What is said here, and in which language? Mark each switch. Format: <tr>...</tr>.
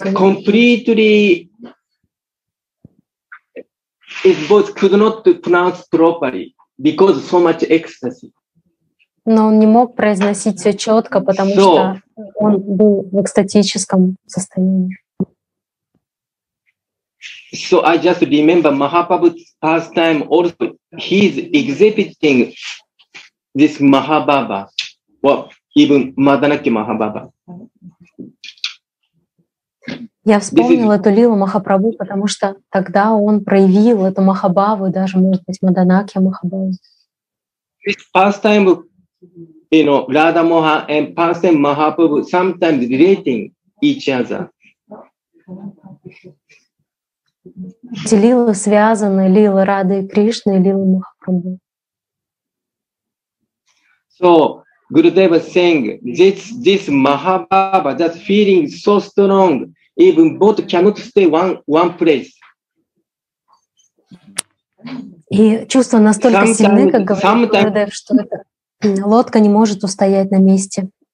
<en>But completely, his voice could not pronounce properly because so much ecstasy.</en> <ru>Но он не мог произносить все четко, потому что он был в экстатическом состоянии.</ru> <en>So I just remember Mahaprabhu's pastime also. He's exhibiting this Mahabhava, or even Madanaki Mahabhava.</en> <ru>Я вспомнила эту лилу Махапрабху, потому что тогда он проявил эту Махабаву, даже, может быть, Маданаки Махабаву.</ru> <en>This pastime, you know, Radha Moha and Pastime Mahaprabhu sometimes relating each other.</en> <ru>Эти лилы связаны, лилы Рады и Кришны, лилы Махапрабху.</ru> <en>So Gurudeva saying this Mahabhava, that feeling is so strong, even both cannot stay one place.</en> <ru>И чувства настолько сильны, как говорит Гурудев, что это, лодка не может устоять на месте.</ru>